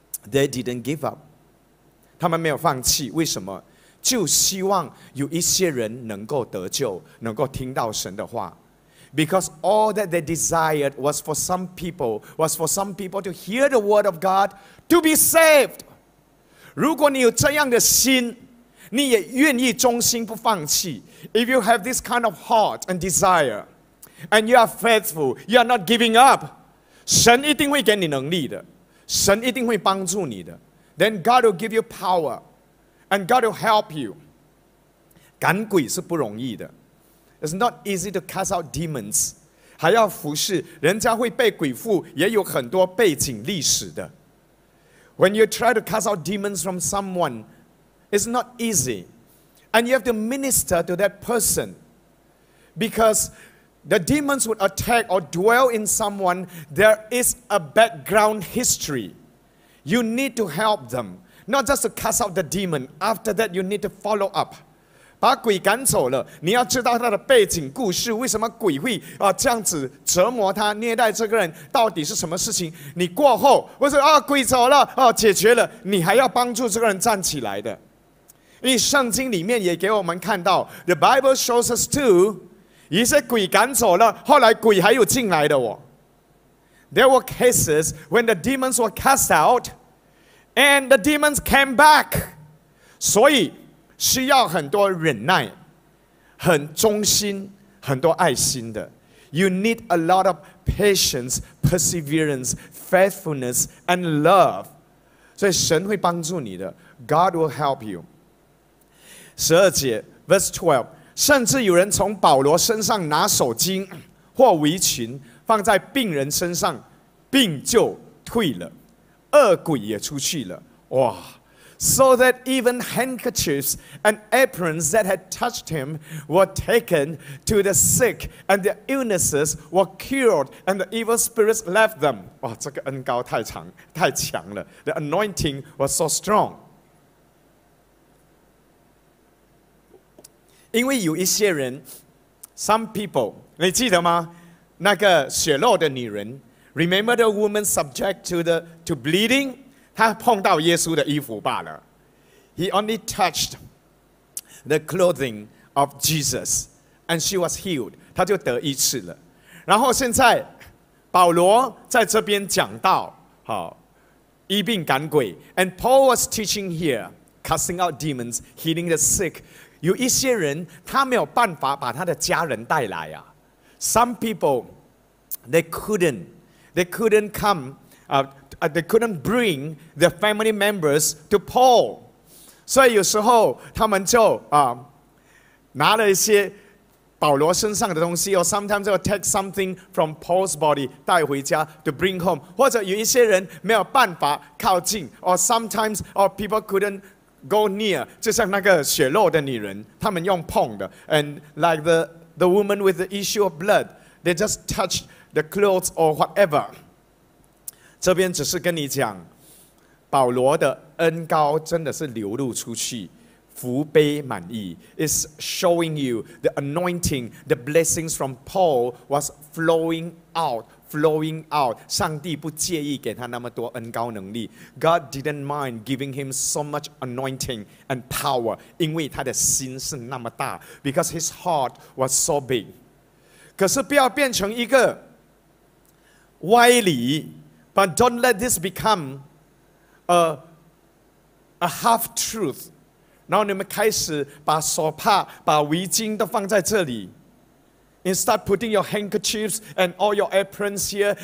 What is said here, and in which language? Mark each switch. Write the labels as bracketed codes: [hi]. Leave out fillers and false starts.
[en] They didn't give up. [zh] 他们没有放弃，为什么？就希望有一些人能够得救，能够听到神的话。 [en] Because all that they desired was for some people, was for some people to hear the word of God, to be saved. [zh] 如果你有这样的心，你也愿意忠心不放弃。 [en] If you have this kind of heart and desire, and you are faithful, you are not giving up, [zh] 神一定会给你能力的，神一定会帮助你的。 [en] Then God will give you power, and God will help you. [zh] 赶鬼是不容易的。 [en] It's not easy to cast out demons. [zh] 还要服侍，人家会被鬼附，也有很多背景历史的。 [en] When you try to cast out demons from someone, it's not easy. And you have to minister to that person. Because the demons would attack or dwell in someone, there is a background history. You need to help them. Not just to cast out the demon. After that, you need to follow up. [zh] 把鬼赶走了，你要知道他的背景故事，为什么鬼会这样子折磨他、虐待这个人，到底是什么事情？你过后，或者鬼走了解决了，你还要帮助这个人站起来的。因为圣经里面也给我们看到 ， [en] The Bible shows us too， [zh] 一些鬼赶走了，后来鬼还有进来的哦。 [en] There were cases when the demons were cast out， and the demons came back， 所以。 [zh] 需要很多忍耐，很忠心，很多爱心的。 [en] You need a lot of patience, perseverance, faithfulness, and love. [zh] 所以神会帮助你的。 [en] God will help you. [zh] 十二节 ，verse 12， 甚至有人从保罗身上拿手巾或围裙放在病人身上，病就退了，恶鬼也出去了。哇！ [en] So that even handkerchiefs and aprons that had touched him were taken to the sick, and their illnesses were cured, and the evil spirits left them. [zh] 哇，这个恩膏太强了。 [en] The anointing was so strong. [zh] 因为有一些人 ， [en] some people， [zh] 你记得吗？那个血肉的女人 ， [en] remember the woman subject to bleeding。 [zh] 他碰到耶稣的衣服罢了。 [en] He only touched the clothing of Jesus, and she was healed. [zh] 他就得医治了。然后现在保罗在这边讲到，好，医病赶鬼。 [en] And Paul was teaching here, casting out demons, healing the sick. [zh] 有一些人他没有办法把他的家人带来啊。 [en] Some people, they couldn't come. They couldn't bring their family members to Paul. So, [zh] 有时候他们就拿了一些保罗身上的东西 [en] or sometimes they'll take something from Paul's body [zh] 带回家 [en] to bring home. [zh] 或者有一些人没有办法靠近 [en] or sometimes people couldn't go near. [zh] 就像那个血肉的女人他们用碰的 [en] and like the woman with the issue of blood, they just touched the clothes or whatever. [zh] 这边只是跟你讲，保罗的恩膏真的是流露出去，福杯满溢。 [en] It's showing you the anointing, the blessings from Paul was flowing out. [zh] 上帝不介意给他那么多恩膏能力。 [en] God didn't mind giving him so much anointing and power, [zh] 因为他的心是那么大 [en] ，because his heart was so big. [zh] 可是不要变成一个歪理。 [en] But don't let this become a half truth. [zh] 然后你们开始把手帕、把围巾都放在这里。 [en] Instead, putting your handkerchiefs and all your aprons here.